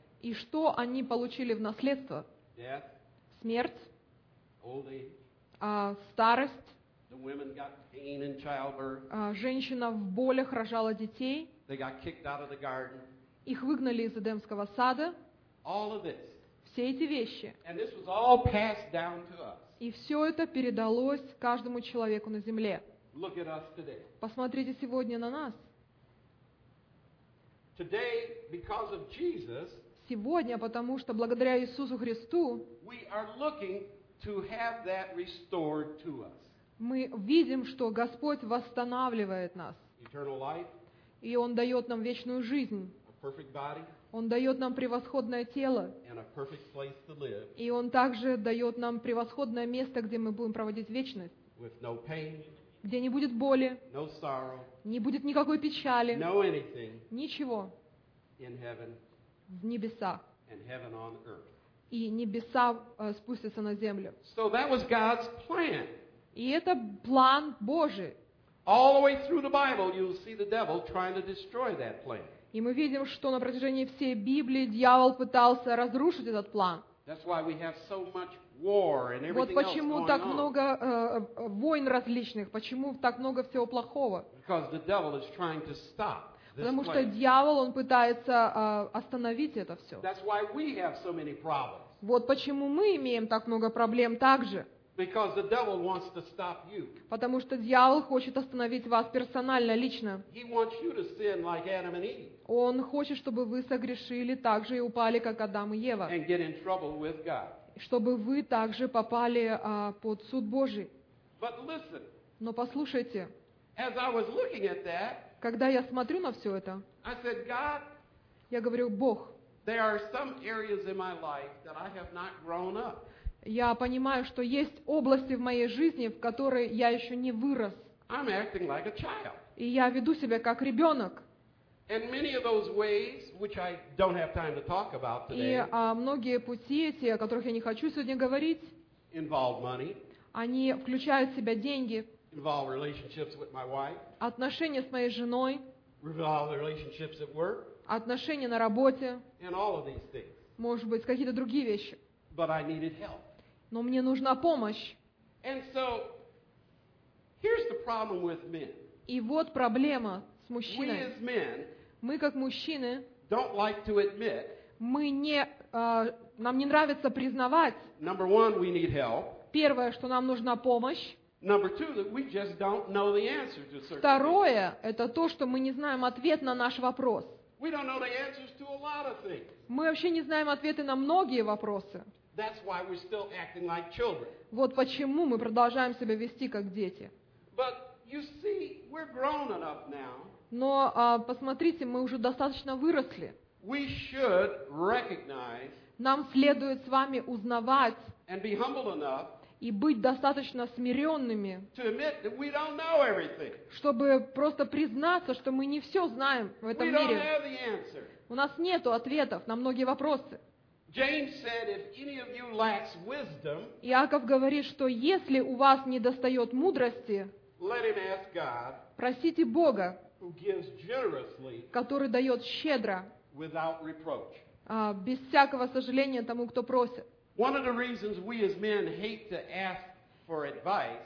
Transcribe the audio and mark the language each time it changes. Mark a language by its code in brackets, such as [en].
[ru] И что они получили в наследство? [en] Death. [ru] Смерть. [en] Old age. [ru] Старость. [en] The women got pain in childbirth. [ru] Женщина в болях рожала детей. [en] They got kicked out of the garden. [ru] Их выгнали из Эдемского сада. [en] All of this. [ru] Все эти вещи. [en] And this was all passed down to us. [ru] И все это передалось каждому человеку на земле. [en] Look at us today. [ru] Посмотрите сегодня на нас. [en] Today, because of Jesus, [ru] сегодня, потому что благодаря Иисусу Христу, [en] we are looking to have that restored to us. [ru] Мы видим, что Господь восстанавливает нас. [en] Eternal life. [ru] И Он дает нам вечную жизнь. [en] A perfect body. [ru] Он дает нам превосходное тело. [en] And a perfect place to live. [ru] И Он также дает нам превосходное место, где мы будем проводить вечность. [en] With no pain. [ru] Где не будет боли, [en] no sorrow, [ru] не будет никакой печали, [en] no anything, [ru] ничего [en] in heaven, [ru] в небесах. [en] And heaven on earth. [ru] И небеса спустятся на землю. [en] So that was God's plan. [ru] И это план Божий. [en] All the way through the Bible you'll see the devil trying to destroy that plan. [ru] И мы видим, что на протяжении всей Библии дьявол пытался разрушить этот план. [en] That's why we have so much war and everything. [ru] Вот почему так много войн различных, почему так много всего плохого? [en] Because the devil is trying to stop this plan. [ru] Потому что дьявол, он пытается остановить это все. [en] That's why we have so many problems. [ru] Вот почему мы имеем так много проблем также. [en] Because the devil wants to stop you. [ru] Потому что дьявол хочет остановить вас персонально, лично. [en] He wants you to sin like Adam and Eve. [ru] Он хочет, чтобы вы согрешили так же и упали, как Адам и Ева. [en] And get in trouble with God. [ru] Чтобы вы также попали под суд Божий. [en] But listen. [ru] Но послушайте. [en] As I was looking at that, [ru] когда я смотрю на все это, [en] I said, God, [ru] я говорю, Бог, [en] there are some areas in my life that I have not grown up. [ru] Я понимаю, что есть области в моей жизни, в которой я еще не вырос. [en] I'm acting like a child. [ru] И я веду себя как ребенок. [en] And many of those ways, which I don't have time to talk about today, [ru] многие пути эти, о которых я не хочу сегодня говорить, [en] involve money, [ru] они включают в себя деньги, [en] involve relationships with my wife, [ru] отношения с моей женой, [en] involve relationships at work, [ru] отношения на работе, [en] and all of these things. [ru] Может быть, какие-то другие вещи. [en] But I needed help. [ru] Но мне нужна помощь. [en] And so, here's the problem with men. [ru] И вот проблема с мужчиной. [en] We as men, [ru] мы как мужчины, [en] don't like to admit, [ru] нам не нравится признавать, [en] number one, we need help. [ru] Первое, что нам нужна помощь. [en] Number two, that we just don't know the answer to certain [ru] Второе, это то, что мы не знаем ответ на наш вопрос. [en] We don't know the answers to a lot of things. [ru] Мы вообще не знаем ответы на многие вопросы. [en] That's why we're still acting like children. [ru] Вот почему мы продолжаем себя вести как дети. [en] But you see, we're grown enough now. [ru] Но посмотрите, мы уже достаточно выросли. [en] We should recognize. [ru] Нам следует с вами узнавать. [en] And be humble enough. [ru] И быть достаточно смиренными. [en] To admit that we don't know everything. [ru] Чтобы просто признаться, что мы не все знаем в этом [en] we [ru] мире. [en] We don't have the answer. [ru] У нас нету ответов на многие вопросы. [en] James said, if any of you lacks wisdom, [ru] Иаков говорит, что если у вас недостает мудрости, [en] let him ask God, [ru] просите Бога, [en] who gives generously, [ru] который дает щедро, [en] without reproach. [ru] Без всякого сожаления тому, кто просит. [en] One of the reasons we as men hate to ask for advice,